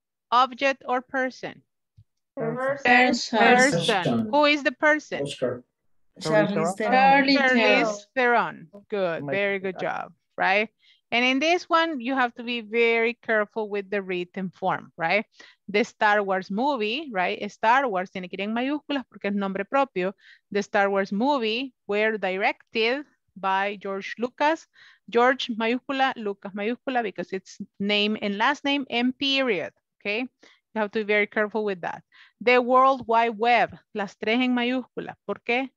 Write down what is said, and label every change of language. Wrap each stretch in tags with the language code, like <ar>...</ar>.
<en>Object or person? Person. Who is the person? Oscar. Charlize Theron. Good. Very good job. Right? And in this one, you have to be very careful with the written form, right? The Star Wars movie, right?</en> <es>Star Wars tiene que ir en mayúsculas porque es nombre propio.</es> <en>The Star Wars movie were directed by George Lucas, George mayúscula, Lucas mayúscula, because it's name and last name and period, okay? You have to be very careful with that. The World Wide Web,</en> <es>las tres en mayúscula, ¿por qué?</es>